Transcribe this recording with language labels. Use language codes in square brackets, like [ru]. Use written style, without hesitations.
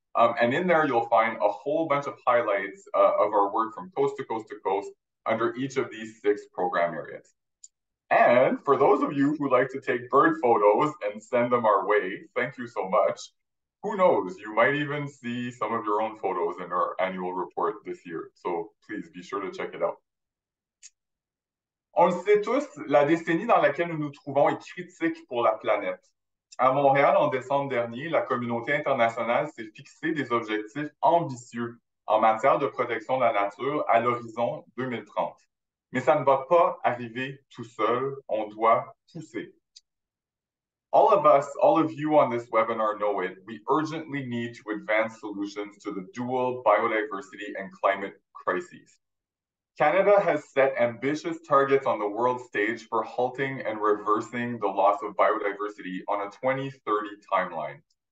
[en] And in there, you'll find a whole bunch of highlights of our work from coast to coast to coast under each of these six program areas. And for those of you who like to take bird photos and send them our way, thank you so much. who knows, you might even see some of your own photos in our annual report this year. So please be sure to check it out. [fr] On le sait tous, la décennie dans laquelle nous nous trouvons est critique pour la planète. À Montréal, en décembre dernier, la communauté internationale s'est fixé des objectifs ambitieux en matière de protection de la nature à l'horizon 2030. Mais ça ne va pas arriver tout seul. On doit pousser. [en] All of us, all of you on this webinar know it. We urgently need to advance solutions to the dual biodiversity and climate crises. Canada has set ambitious targets on the world stage for halting and reversing the loss of biodiversity on a 2030 timeline.